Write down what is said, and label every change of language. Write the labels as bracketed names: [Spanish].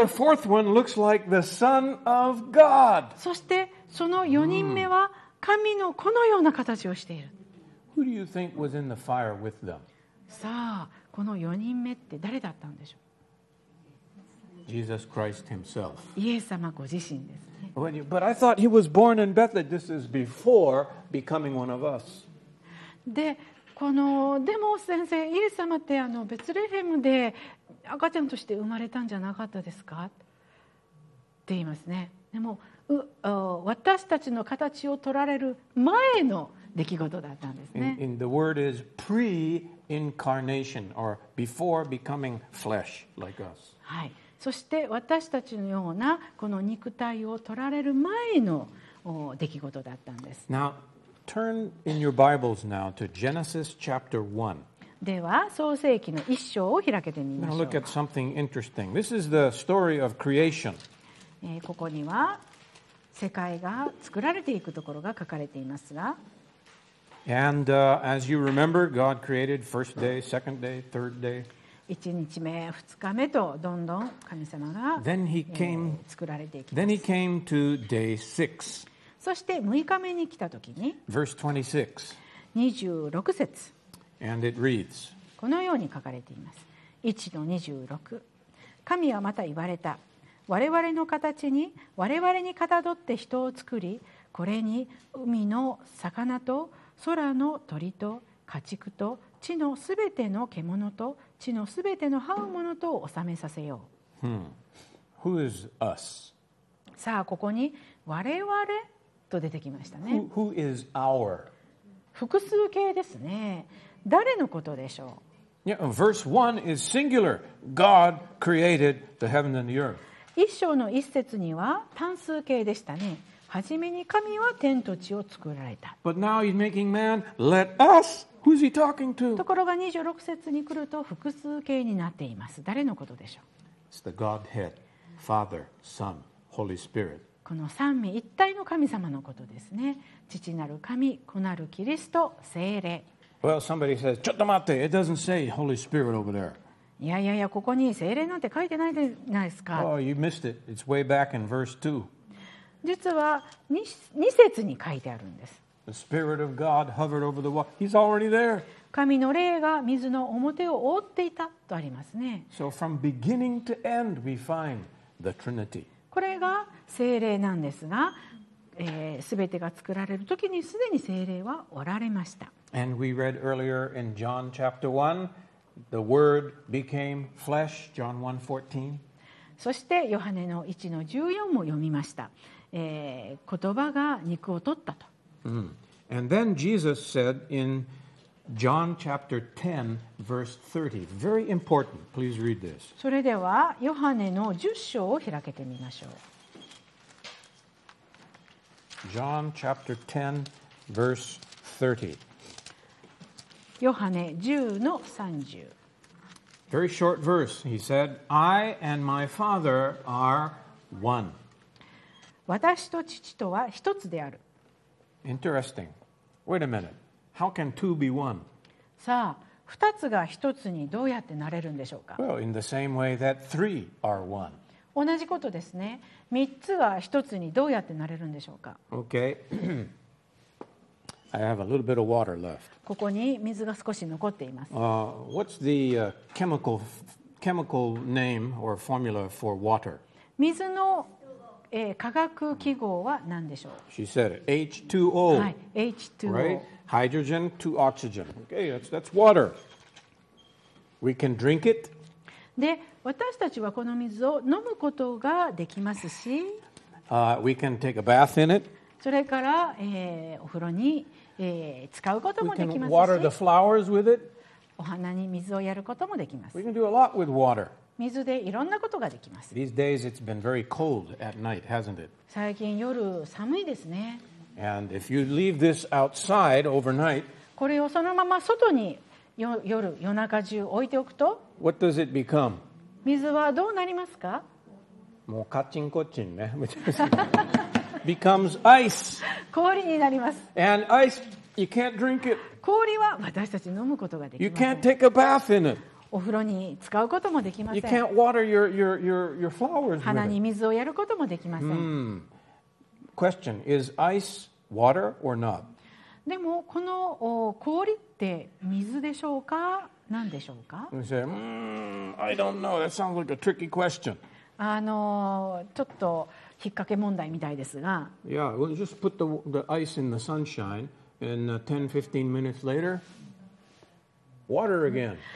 [English] And the fourth one looks like the Son of God. [Japanese] そしてその4人目は神の子のような形をしている。 [English] Who do you think was in the fire with them? [Japanese] さあ、この4人目って誰だったんでしょう? [English] Jesus Christ himself. [Japanese] イエス様ご自身ですね。 [English] But I thought he was born in Bethlehem. This is before becoming one of us. [Japanese] で、このでも先生、イエス様ってベツレヘムで赤ちゃんとして生まれたんじゃなかったですか? って言いますね。でも私たちの形を取られる前の出来事だったんですね。 [English] in the word is pre-incarnation or before becoming flesh like us. [Japanese] はい。そして私たちのようなこの肉体を取られる前の出来事だったんです。 [English] Now turn in your Bibles now to Genesis chapter 1. [Japanese] では創世記の一章を開けてみましょう。 [English] Now look at something interesting. This is the story of creation. [Japanese] ここには世界が作られていくところが書かれていますが、 [English] And, as you remember, God created first day, second day, third day. [Japanese] 1日目、2日目とどんどん神様が [English] then he came, [Japanese] 作られていきます。 [English] Then he came to day six. [Japanese] そして6日目に来たときに、 [English] Verse 26. [Japanese] 26節。 [English] And it reads. [Japanese] このように書かれています。1の26。神はまた言われた。我々の形に我々にかたどって人を作り、これに海の魚と空の鳥と家畜と地のすべての獣と地のすべての這うものとを納めさせよう。 [English] Who is us? [Japanese] さあ、ここに我々と出てきましたね。 [English] Who is our? [Japanese] 複数形ですね。誰のことでしょう。 [English] Yeah, verse 1 is singular. God created the heaven and the earth. [Japanese] 一章の一節には単数形でしたね。はじめに神は天と地を作られた。 [English] But now he's making man. Let us. Who's he talking to? [Japanese] ところが26節に来ると複数形になっています。誰のことでしょう。 [English] It's the Godhead, Father, Son, Holy Spirit. [Japanese] この三位一体の神様のことですね。父なる神、子なるキリスト、聖霊。 [English] Well, somebody says, [Japanese] ちょっと待って。 [English] It doesn't say Holy Spirit over there. [Japanese] いやいやいや、ここに聖霊なんて書いてないじゃないですか。 [English] Oh, you missed it. It's way back in verse 2. [Japanese] 実は2節に書いてあるんです。 [English] The Spirit of God hovered over the water. He's already there. [Japanese] 神の霊が水の表を覆っていたとありますね。 [English] So from beginning to end, we find the Trinity. [Japanese] これが聖霊なんですが、全てが作られる時にすでに聖霊はおられました。 [English] And we read earlier in John chapter 1, the Word became flesh, John 1:14. [Japanese] そしてヨハネの1の14も読みました。言葉が肉を取ったと。 [English] Mm. And then Jesus said in John chapter 10, verse 30. Very important. Please read this. [Japanese] それではヨハネの10章を開けてみましょう。 [English] John chapter 10, verse 30. [Japanese] ヨハネ10の30。 [English] Very short verse. He said, I and my Father are one. [Japanese] 私と父とは一つである。 [English] Interesting. Wait a minute. How can two be one? [Japanese] さあ、二つが一つにどうやってなれるんでしょうか? [English] Well, in the same way that three are one. [Japanese] 同じことですね。三つが一つにどうやってなれるんでしょうか? [English] Okay. I have a little bit of water left. [Japanese] ここに水が少し残っています。 [English] What's the chemical name or formula for water? [Japanese] 水の化学記号は何でしょう? [English] She said it. H2O. [Japanese] はい、H2O. [English] Right? Hydrogen to oxygen. Okay, that's water. We can drink it. [Japanese] で、私たちはこの水を飲むことができますし、 [English] we can take a bath in it. [Japanese] それから、お風呂に、使うこともできますし、 [English] we can water the flowers with it. [Japanese] お花に水をやることもできます。 [English] We can do a lot with water. [Japanese] 水でいろんなことができます。 [English] These days it's been very cold at night, hasn't it? [Japanese] 最近夜寒いですね。 [English] And if you leave this outside overnight, [Japanese] これをそのまま外に夜夜中中置いておくと、 [English] What does it become? [Japanese] 水はどうなりますか？もうカチンコチンね。 [English] becomes ice. [Japanese] 氷になります。 [English] And ice, you can't drink it. [Japanese] 氷は私たち飲むことができません。 [English] You can't take a bath in it. [Japanese] お風呂に使うこともできません。 [English] You can't water your flowers with it. [Japanese] 花に水をやることもできません。 Hmm. [English] Question: Is ice water or not? [Japanese] でもこの氷って水でしょうか、なんでしょうか。 [English] You say, I don't know. That sounds like a tricky question. [Japanese] ちょっと引っ掛け問題みたいですが。 [English] Yeah, we'll just put the ice in the sunshine, and 10-15 minutes later, water again.